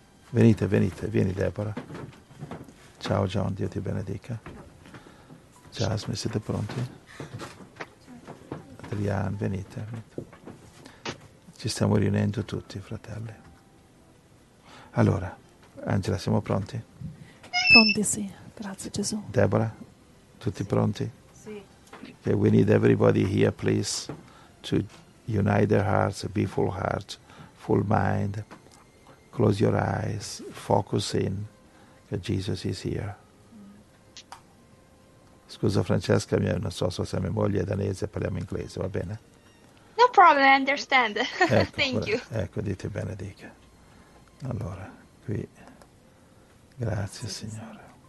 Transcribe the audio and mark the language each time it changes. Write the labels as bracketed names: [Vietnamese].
[Italian] Venite, venite, vieni Deborah. Ciao John, Dio ti benedica. Jasmine, siete pronti? Adrian, venite. Ci stiamo riunendo tutti, fratelli. Allora, Angela, siamo pronti? Pronti, sì. Grazie, Gesù. Deborah, tutti pronti? Sì. [English] Okay, we need everybody here, please, to unite their hearts, be full heart, full mind. Close your eyes, focus in. Jesus is here. [Italian] Scusa Francesca, non so se sia mia moglie è danese, parliamo inglese, va bene? [English] No problem, I understand. [Italian] Ecco, [English] thank you. [Italian] Ecco, Dio benedica. Allora, qui. Grazie, grazie Signore.